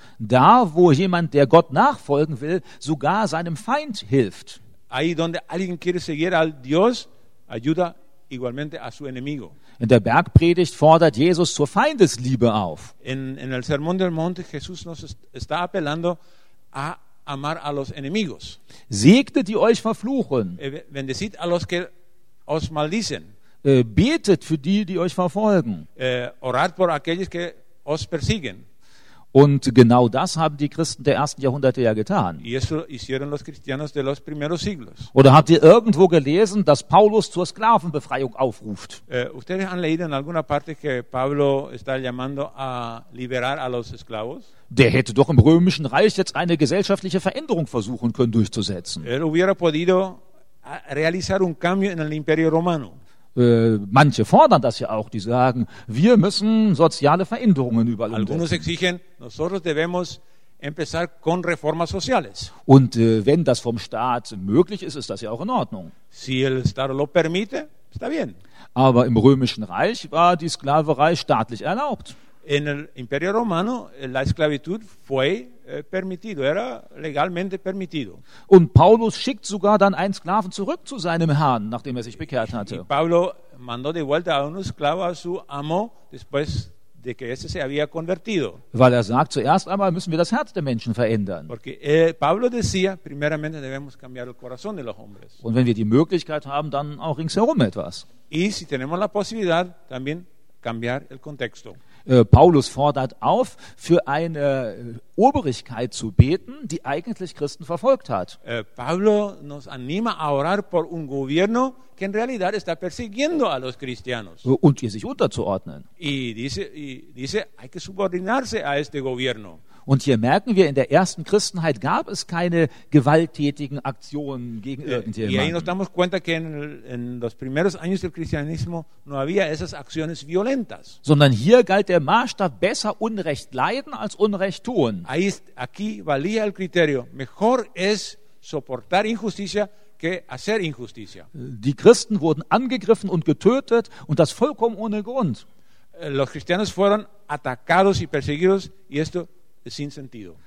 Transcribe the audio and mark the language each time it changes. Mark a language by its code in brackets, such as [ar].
[de] Da, wo jemand, der Gott nachfolgen will, sogar seinem Feind hilft. [es] Ahí donde alguien quiere seguir al Dios, ayuda igualmente a su enemigo. [de] In der Bergpredigt fordert Jesus zur Feindesliebe auf. [es] En el Sermón del Monte, Jesús nos está apelando a amar a los enemigos. [de] Segnet, die euch verfluchen. [es] Bendecid a los que os maldicen. [de] Betet für die, die euch verfolgen. [es] Orad por aquellos que os persiguen. [de] Und genau das haben die Christen der ersten Jahrhunderte ja getan. [es] Y eso hicieron los cristianos de los primeros siglos. [de] Oder habt ihr irgendwo gelesen, dass Paulus zur Sklavenbefreiung aufruft? [es] Ustedes han leído en alguna parte que Pablo está llamando a liberar a los esclavos? [de] Der hätte doch im Römischen Reich jetzt eine gesellschaftliche Veränderung versuchen können durchzusetzen. [es] Él hubiera podido realizar un cambio en el Imperio Romano. [de] Manche fordern das ja auch, die sagen, wir müssen soziale Veränderungen überall umsetzen. [es] Algunos exigen, nosotros debemos empezar con reformas sociales. [de] Und wenn das vom Staat möglich ist, ist das ja auch in Ordnung. [es] Si el Estado lo permite, está bien. [de] Aber im Römischen Reich war die Sklaverei staatlich erlaubt. [es] En el Imperio Romano la esclavitud fue permitido, era legalmente permitido. [de] Und Paulus schickt sogar dann einen Sklaven zurück zu seinem Herrn, nachdem er sich bekehrt hatte. [es] Y Pablo mandó de vuelta a un esclavo a su amo después de que este se había convertido. [de] Weil er sagt, zuerst einmal müssen wir das Herz der Menschen verändern. [es] Porque Pablo decía, primeramente debemos cambiar el corazón de los hombres. [de] Und wenn wir die Möglichkeit haben, dann auch ringsherum etwas. [es] Y si tenemos la posibilidad, también cambiar el contexto. [de] Paulus fordert auf, für eine Obrigkeit zu beten, die eigentlich Christen verfolgt hat. [es] Pablo nos anima a orar por un gobierno que en realidad está persiguiendo a los cristianos. [de] Und ihr sich unterzuordnen. [es] Y dice, hay que subordinarse a este gobierno. [de] Und hier merken wir, in der ersten Christenheit gab es keine gewalttätigen Aktionen gegen irgendjemanden. [es] Y ahí nos damos cuenta que en los primeros años del cristianismo no había esas acciones violentas. [de] Sondern hier galt der Maßstab, besser Unrecht leiden als Unrecht tun. [es] Aquí valía el criterio, mejor es soportar injusticia que hacer injusticia. [de] Die Christen wurden angegriffen und getötet und das vollkommen ohne Grund. [es] Los cristianos fueron atacados y perseguidos y esto sin sentido.